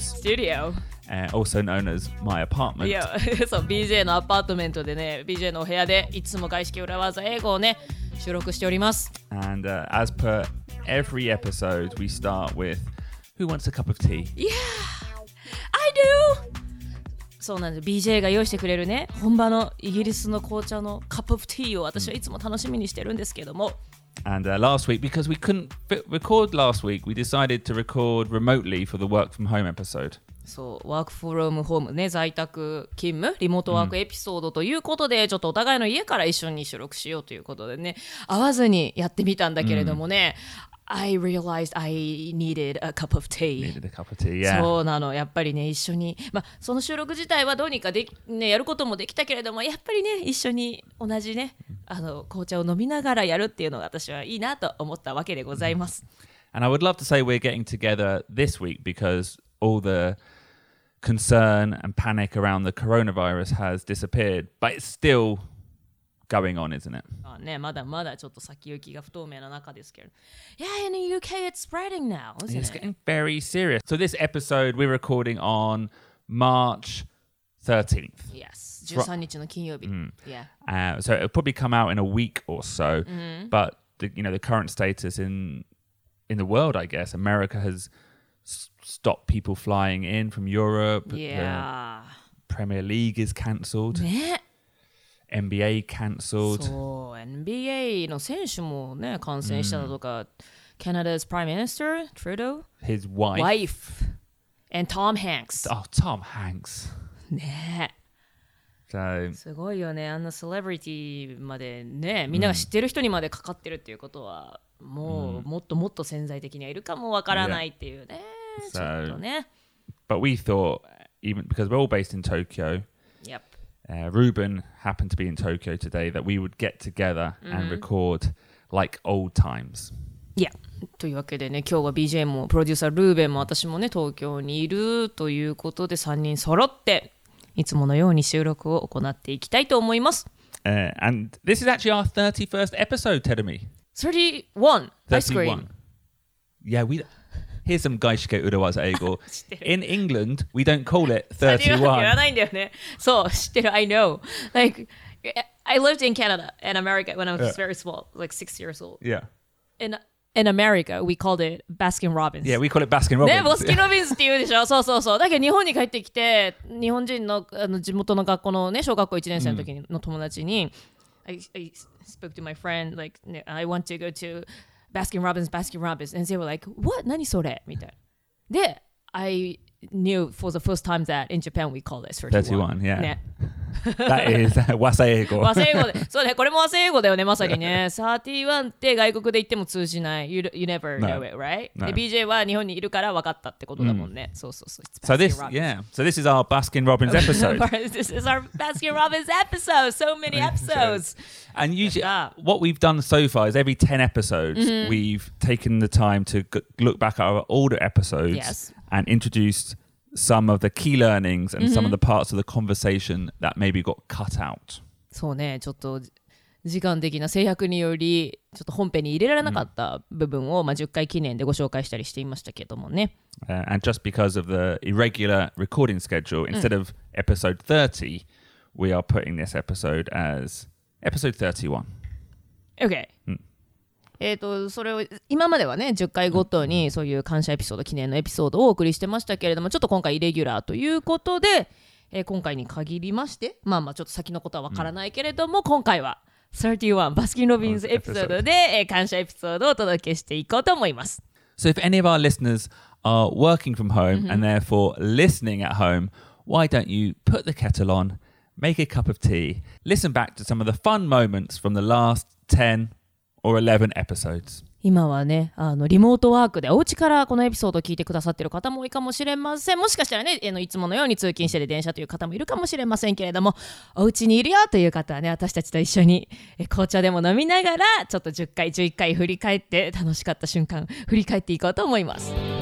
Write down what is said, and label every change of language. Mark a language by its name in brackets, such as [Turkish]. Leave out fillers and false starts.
[English] Studio. Also known as my apartment. [Japanese] Yeah, so BJ のアパートメントでね、BJ のお部屋でいつも外資系裏技英語をね、収録しております。 [English] And as per every episode, we start with, who wants a cup of tea? Yeah, I do! [Japanese] そうなんです、BJ が用意してくれるね、本場のイギリスの紅茶の [English] cup of tea [Japanese] を私はいつも楽しみにしてるんですけども。 [English] And last week, because we couldn't record last week, we decided to record remotely for the work from home episode. [Japanese] そう、ワークフロームホームね、在宅勤務、リモートワークエピソードということで、うん、ちょっとお互いの家から一緒に収録しようということでね、会わずにやってみたんだけれどもね、うん、 [English] I realized I needed a cup of tea. Needed a cup of tea, yeah. [Japanese] そうなの、やっぱりね、一緒に、まあ、その収録自体はどうにかで、ね、やることもできたけれども、やっぱりね、一緒に同じね、あの、紅茶を飲みながらやるっていうのが私はいいなと思ったわけでございます。 [English] And I would love to say we're getting together this week because all theconcern and panic around the coronavirus has disappeared, but it's still going on, isn't it? [Japanese] Ah, ね、まだまだちょっと先行きが不透明な中ですけど。 [English] Yeah, in the UK, it's spreading now, isn't it? It's getting very serious. So this episode, we're recording on March 13th. [Japanese] Yes, 13日の金曜日。Yeah. [English] So it'll probably come out in a week or so, mm-hmm. but the, you know, the current status in the world, I guess, America has... stop people flying in from Europe. Yeah. Premier League is cancelled. [Japanese] ね。 [English] NBA cancelled. [Japanese] そう、NBA の選手もね、感染したのとか、 [English] Canada's Prime Minister, Trudeau. His wife. Wife. And Tom Hanks. Oh, Tom Hanks. [Japanese] ね。 [English] So, [Japanese] すごいよね。あんなセレブリティまでね、みんなが知ってる人にまでかかってるっていうことは、もう、もっともっと潜在的にはいるかもわからないっていうね。 [English] Yeah. So, but we thought, even because we're all based in Tokyo, yep. Ruben happened to be in Tokyo today, that we would get together and record like old times. Yeah. [Japanese] というわけでね、今日は BJ もプロデューサールーベンも私もね、東京にいるということで3人揃っていつものように収録を行っていきたいと思います。 [English] And this is actually our 31st episode, Terumi. 31, ice cream. Yeah, we... Here's some Gaishike Urawaza Eigo. In England, we don't call it 31. So, I know. Like, I lived in Canada and America when I was very small, like 6 years old. Yeah. In America, we called it Baskin Robbins. Yeah, we call it Baskin Robbins. [Japanese] ね、ボスキンロビンスって言うでしょ。そうそうそう。だけど日本に帰ってきて、日本人の、あの、地元の学校のね、小学校1年生の時の友達に、 [English] I spoke to my friend, like, I want to go to... Baskin Robbins, Baskin Robbins. And they were like, what? [Japanese] 何それ?みたいな。 [English] で、I knew for the first time that in Japan we call this 31. 31, yeah. ね。That is 和製英語。 [Japanese] 和製英語で。そうね、これも和製英語だよね、まさにね。31って外国で言っても通じない。 [English] You never know it, right? No. [Japanese] BJ は日本にいるから分かったってことだもんね。そうそうそう。 [English] So this, yeah. So this is our Baskin Robbins episode. This is our Baskin Robbins episode. So many episodes. And usually, what we've done so far is every 10 episodes, we've taken the time to look back at our older episodes and introduced... some of the key learnings and some of the parts of the conversation that maybe got cut out. [Japanese] そうね、ちょっと時間的な制約によりちょっと本編に入れられなかった部分を、まあ、10回記念でご紹介したりしていましたけどもね。 [English] And just because of the irregular recording schedule, instead of episode 30, we are putting this episode as episode 31. Okay. [Japanese] それを今まではね10回ごとにそういう感謝エピソード記念のエピソードをお送りしてましたけれどもちょっと今回イレギュラーということで、今回に限りましてまあまあちょっと先のことはわからないけれども、今回は31バスキンロビンズエピソードで感謝エピソードをお届けしていこうと思います。 [English] So if any of our listeners are working from home and therefore listening at home, why don't you put the kettle on, make a cup of tea, listen back to some of the fun moments from the last 10 or 11 episodes. [Japanese] 今はね、あのリモートワークでお家からこのエピソードを聞いてくださっている方も多いかもしれません。もしかしたらね、いつものように通勤してる電車という方もいるかもしれませんけれども、お家にいるよという方はね、私たちと一緒に紅茶でも飲みながら、ちょっと10回11回振り返って、楽しかった瞬間振り返っていこうと思います。